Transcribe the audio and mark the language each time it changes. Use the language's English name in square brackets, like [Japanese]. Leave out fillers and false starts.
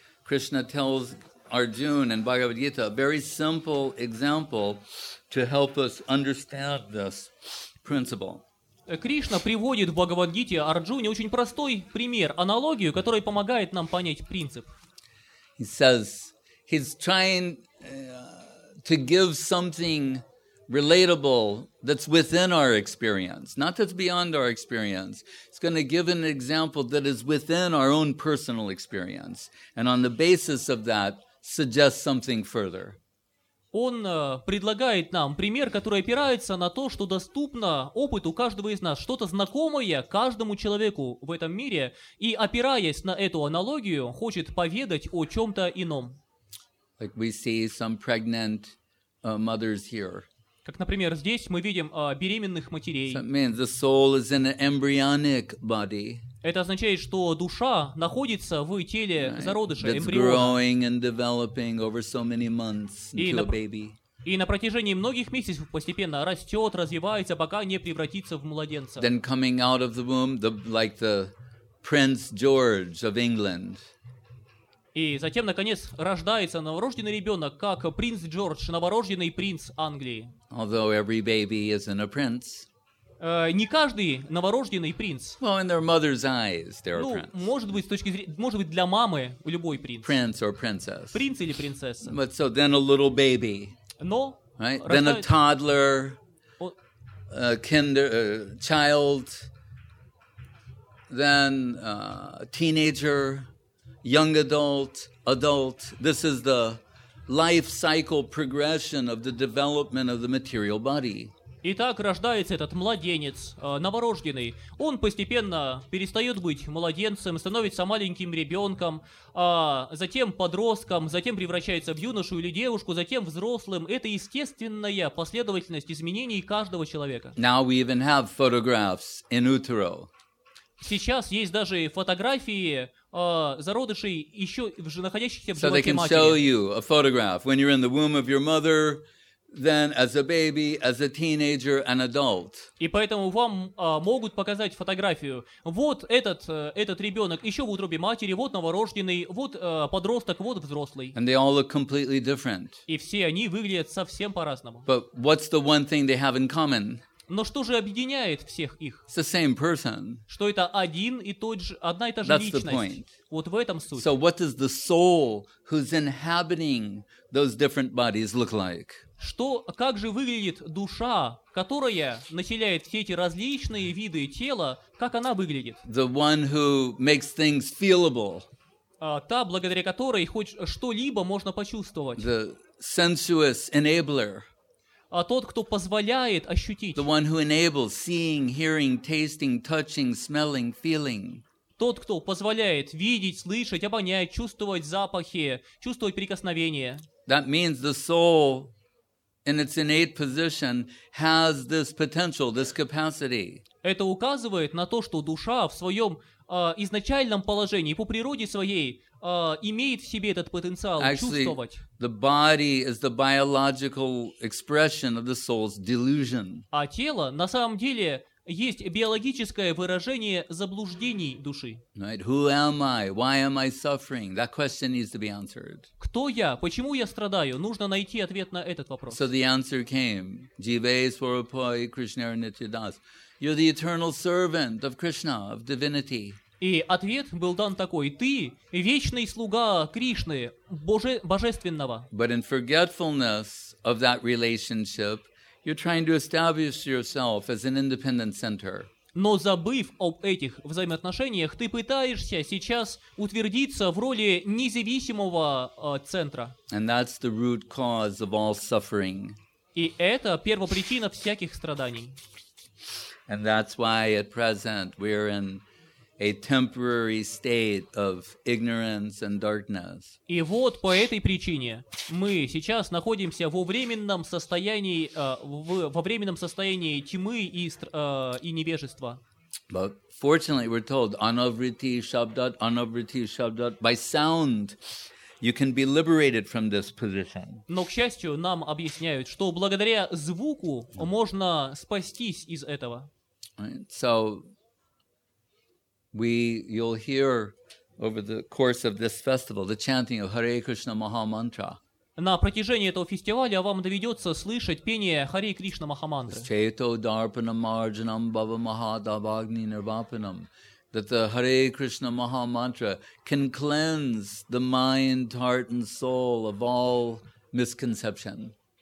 [English] Krishna tells Arjuna in Bhagavad Gita a very simple example to help us understand this principle. [Russian] Кришна приводит в Бхагавад-гите Арджуне очень простой пример, аналогию, которая помогает нам понять принцип. [English] He says he's trying to give something relatable that's within our experience, not that's beyond our experience. He's going to give an example that is within our own personal experience, and on the basis of that, suggest something further. [Russian] Он предлагает нам пример, который опирается на то, что доступно опыту каждого из нас, что-то знакомое каждому человеку в этом мире, и опираясь на эту аналогию, хочет поведать о чем-то ином. [English] Like we see some pregnant mothers here. [Russian] Как, например, здесь мы видим беременных матерей. [English] So it means the soul is in an embryonic body. [Russian] Это означает, что душа находится в теле зародыша, [English] that's [Russian] эмбриона. [English] Growing and developing over so many months into a baby. [Russian] И на протяжении многих месяцев постепенно растет, развивается, пока не превратится в младенца. [English] Then coming out of the womb, like the Prince George of England. [Russian] И затем, наконец, рождается новорожденный ребенок, как принц Джордж, новорожденный принц Англии. [English] Although every baby isn't a prince. [Russian] Не каждый новорожденный принц. [English] Well, in their mother's eyes, they're a prince. [Russian] Ну, может быть, с точки зрения, может быть, для мамы любой принц. [English] Prince or princess. [Russian] Принц или принцесса. [English] But so then a little baby. [Russian] Но. [English] Right. Then a toddler, a kinder, a child, then a teenager, young adult, adult. This is the life cycle progression of the development of the material body. [Russian] Итак, рождается этот младенец, новорожденный. Он постепенно перестает быть младенцем, становится маленьким ребенком, затем подростком, затем превращается в юношу или девушку, затем взрослым. Это естественная последовательность изменений каждого человека. [English] Now we even have photographs in utero. [Russian] Сейчас есть даже фотографии зародышей, еще находящихся в животе матери. [English] So they can show you a photograph when you're in the womb of your mother. Then, as a baby, as a teenager, an adult. [Russian] И поэтому вам могут показать фотографию. Вот этот ребенок еще в утробе матери, вот новорожденный, вот подросток, вот взрослый. [English] And they all look completely different. [Russian] И все они выглядят совсем по-разному. [English] But what's the one thing they have in common? [Russian] Но что же объединяет всех их? [English] It's the same person. [Russian] Что это один и тот же, одна и та же [English] That's [Russian] личность. [English] The point. [Russian] Вот в этом суть. [English] So what does the soul who's inhabiting those different bodies look like? [Russian] Что, как же выглядит душа, которая населяет все эти различные виды тела, как она выглядит? [English] The one who makes things feelable. [Russian] Та, благодаря которой хоть что-либо можно почувствовать. [English] The sensuous enabler. [Russian] А тот, кто позволяет ощутить. [English] The one who enables seeing, hearing, tasting, touching, smelling, feeling. [Russian] Тот, кто позволяет видеть, слышать, обонять, чувствовать запахи, чувствовать прикосновение. [English] That means the soul in its innate position has this potential, this capacity. [Russian] Это указывает на то, что душа в своем изначальном положении по природе своей имеет в себе этот потенциал чувствовать. [English] The body is the biological expression of the soul's delusion. [Russian] А тело на самом деле есть биологическое выражение заблуждений души. [English] Right. Who am I? Why am I suffering? That question needs to be answered. [Russian] Кто я? Почему я страдаю? Нужно найти ответ на этот вопрос. [English] So the answer came. [Bangla] Jivei Swarupoi Krishnara Nityadas. [English] You're the eternal servant of Krishna, of divinity. [Russian] И ответ был дан такой: ты вечный слуга Кришны, божественного. [English] But in forgetfulness of that relationship, you're trying to establish yourself as an independent center. [Russian] Но забыв об этих взаимоотношениях, ты пытаешься сейчас утвердиться в роли независимого центра. [English] And that's the root cause of all suffering. [Russian] И это первопричина всяких страданий. [English] And that's why at present we're in a temporary state of ignorance and darkness. [Russian] И вот по этой причине мы сейчас находимся во временном состоянии тьмы и невежества. [English] But fortunately we're told [Sanskrit] anavriti shabdat [English] by sound you can be liberated from this position. [Russian] Но к счастью нам объясняют, что благодаря звуку можно спастись из этого. [English] Right. So you'll hear over the course of this festival the chanting of Hare Krishna Maha Mantra. [Russian] На протяжении этого фестиваля вам доведется слышать пение Харе Кришна Маха Мантры. [Sanskrit] Чето дарпанам арджанам бава махадабагни нирвапанам. [English] That the Hare Krishna Maha Mantra can cleanse the mind, heart and soul of all misconception.